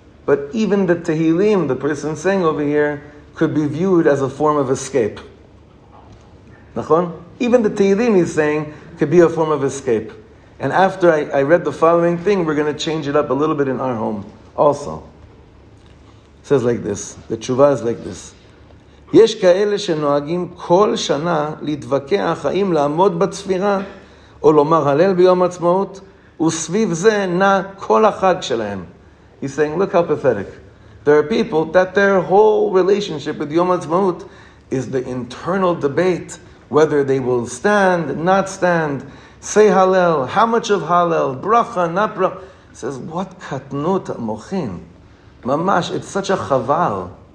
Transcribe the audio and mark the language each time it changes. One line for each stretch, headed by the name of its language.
English: But even the Tehilim, the person saying over here, could be viewed as a form of escape. Nachon? Even the Tehilim he's saying could be a form of escape. And after I read the following thing, we're going to change it up a little bit in our home also. It says like this. The tshuva is like this.
Hebrew: יש כאלה שנוהגים כל שנה להתווכח האם לעמוד בצפירה או לומר הלל ביום עצמאות וסביב זה נע כל החג שלהם.
English: He's saying, look how pathetic. There are people that their whole relationship with Yom Atzmaut is the internal debate whether they will stand, not stand, say Hallel, how much of Hallel, bracha, not bracha. He says, what
Hebrew: katnut mochin.
English: Mamash, it's such a chaval.